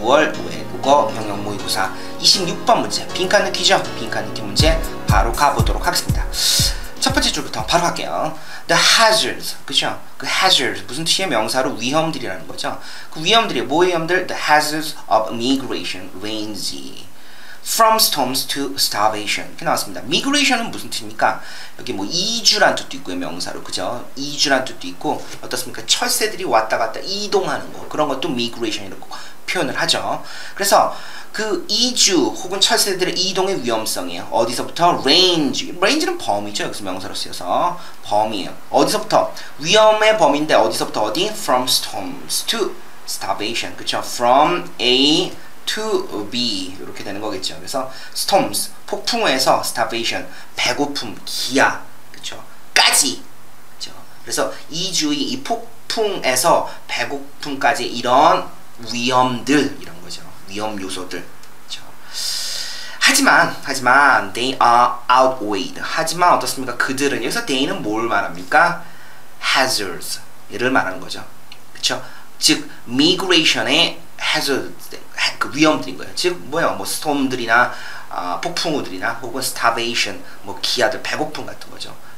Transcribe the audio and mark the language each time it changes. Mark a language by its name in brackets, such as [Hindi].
[Korean] 6월 외국어 영역모의고사 26번 문제. 빈칸 느끼죠? 빈칸 느낀 문제. 바로 가보도록 하겠습니다. 첫 번째 줄부터 바로 갈게요. The hazards. 그죠? 그 hazards. 무슨 뜻이에요? 명사로 위험들이라는 거죠. 그 위험들이에요. 뭐의 위험들? [English] The hazards of migration rains. From storms to starvation. [Korean] 이렇게 나왔습니다. Migration은 무슨 뜻입니까? 여기 뭐 이주란 뜻도 있고요, 명사로. 그죠? 이주란 뜻도 있고, 어떻습니까? 철새들이 왔다 갔다 이동하는 거. 그런 것도 migration이라고 표현을 하죠. 그래서 그 이주 혹은 철새들의 이동의 위험성이에요. 어디서부터? Range. Range는 범위죠. 여기서 명사로 쓰여서. 범위에요. 어디서부터? 위험의 범위인데, 어디서부터 어디? [English] From storms to starvation. [Korean] 그죠? [English] From A to be [Korean] 이렇게 되는 거겠죠. 그래서 storms 폭풍에서 starvation 배고픔 기아 그렇죠 까지 그렇죠. 그래서 이 주의 이 폭풍에서 배고픔까지 이런 위험들 이런 거죠. 위험 요소들 그렇죠. 하지만 [English] they are outweighed. [Korean] 하지만 어떻습니까? 그들은 여기서 they는 뭘 말합니까? hazards를 말하는 거죠. 그렇죠. 즉 migration의 hazards 그 위험들인 거예요. 즉 뭐예요? 뭐 스톰들이나 폭풍우들이나 혹은 starvation 뭐 기아들 배고픔 같은 거죠.